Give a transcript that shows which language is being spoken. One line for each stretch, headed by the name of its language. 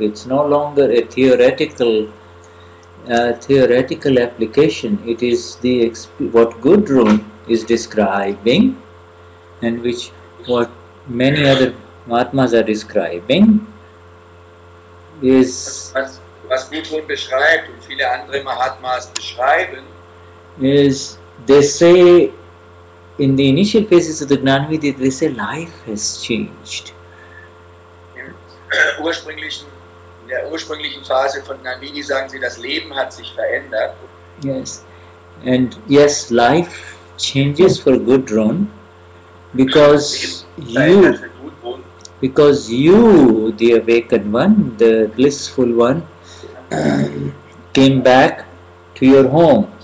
English: It's no longer a theoretical application. It is the what Gudrun is describing, and which what many other Mahatmas are describing is
German: was Gudrun beschreibt und viele andere Mahatmas beschreiben
English: is they say. In the initial phases of the Gnanavidhi, they say life has changed.
German: ursprünglichen Phase von Gnani sagen sie, das Leben hat sich verändert.
English: Yes. And yes, life changes for good, Ron, because you, the awakened one, the blissful one, came back to your home.